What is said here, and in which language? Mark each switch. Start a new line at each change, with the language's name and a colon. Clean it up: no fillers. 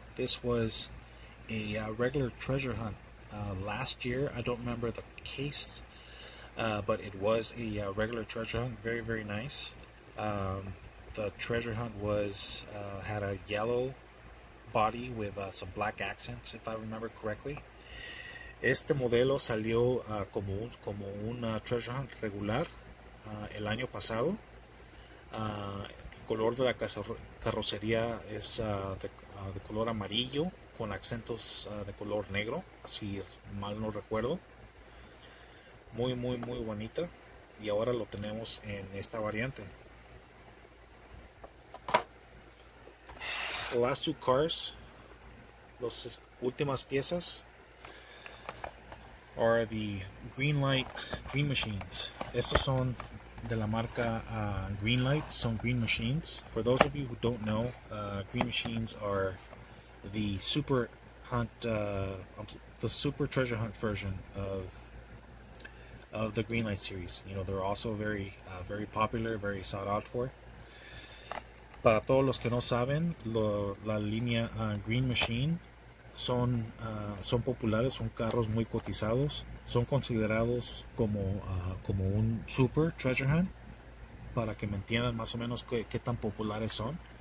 English: This was a regular treasure hunt last year. I don't remember the case, but it was a regular treasure hunt. Very, very nice. The treasure hunt was had a yellow body with some black accents, if I remember correctly.
Spanish: Este modelo salió como un treasure hunt regular el año pasado. El color de la carrocería es de color amarillo con acentos de color negro, si mal no recuerdo. Muy, muy, muy bonita. Y ahora lo tenemos en esta variante.
English: The last two cars,
Spanish: los últimas piezas,
English: are the Greenlight Green Machines.
Spanish: Estos son de la marca Greenlight, son Green Machines.
English: For those of you who don't know, Green Machines are the super hunt, the super treasure hunt version of the Greenlight series. You know, they're also very, very popular, very sought out for.
Spanish: Para todos los que no saben, la línea Green Machine son populares, son carros muy cotizados, son considerados como un super treasure hunt, para que me entiendan más o menos qué tan populares son.